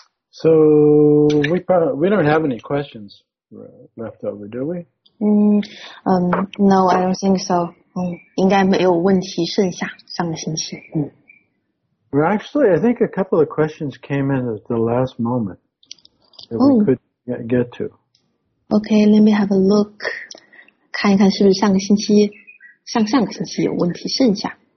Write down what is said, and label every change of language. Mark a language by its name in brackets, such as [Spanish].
[English] So we don't have any questions left over, do we? No, I don't think so. [Chinese] 应该没有问题剩下上个星期。 [English] Well, actually, I think a couple of questions came in at the last moment that we could get to. Okay, let me have a look. [Chinese] 看一看是不是上个星期、上上个星期有问题剩下。